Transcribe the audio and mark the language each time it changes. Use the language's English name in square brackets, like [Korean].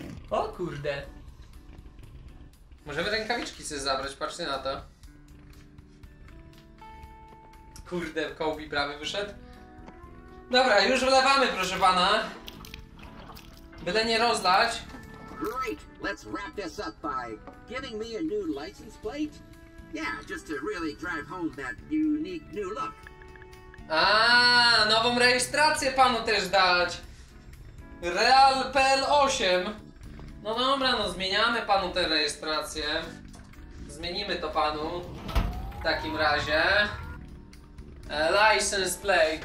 [Polish] O kurde. Możemy rękawiczki sobie zabrać, patrzcie na to. Kurde, Kobe prawie wyszedł. Dobra, już wlewamy, proszę pana. Byle nie rozlać. [English] Great, let's wrap this up by giving me a new license plate. Yeah, just to really drive home that unique new look. [Polish] A nową rejestrację panu też dać. Real PL8. No dobra, no zmieniamy panu tę rejestrację. Zmienimy to panu w takim razie. License plate.